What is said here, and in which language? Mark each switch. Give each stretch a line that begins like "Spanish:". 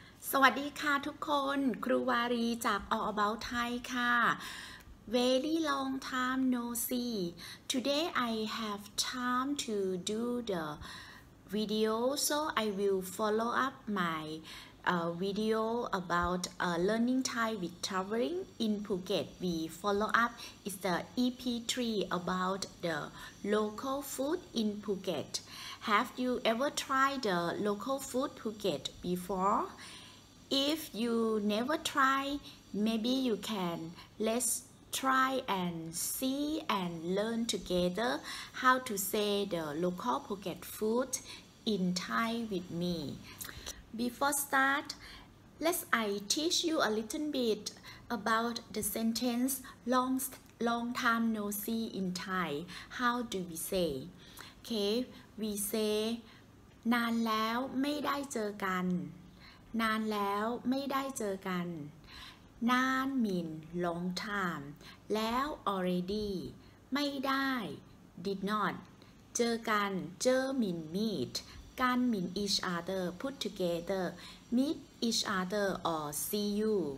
Thai: สวัสดีค่ะทุกคนครูวารีจาก All About Thai ค่ะ
English: Very long time no see. Today I have time to do the video, so I will follow up my video about learning Thai with traveling in Phuket. We follow up is the EP3 about the local food in Phuket. Have you ever tried the local food Phuket before? If you never try, maybe you can let's try and see and learn together how to say the local Phuket food in Thai with me. Before start, let's I teach you a little bit about the sentence long time no see in Thai. How do we say? Okay, we say
Thai: นานแล้วไม่ได้เจอกันนานแล้วไม่ได้เจอกันนาน
English: mean long time
Thai: แล้ว
English: already
Thai: ไม่ได้
English: did not
Thai: เจอกันเจอ
English: mean meet
Thai: กัน
English: mean each other put together meet each other or see you